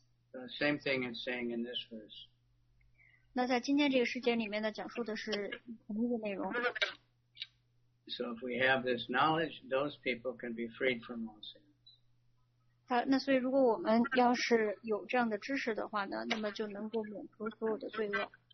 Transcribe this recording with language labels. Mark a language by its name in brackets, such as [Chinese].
[English] The same thing is saying in this verse. [Chinese] 那在今天这个世界里面的讲述的是同一个内容。 [English] So if we have this knowledge, those people can be freed from all sins. [Chinese] 好，那所以如果我们要是有这样的知识的话呢，那么就能够免除所有的罪恶。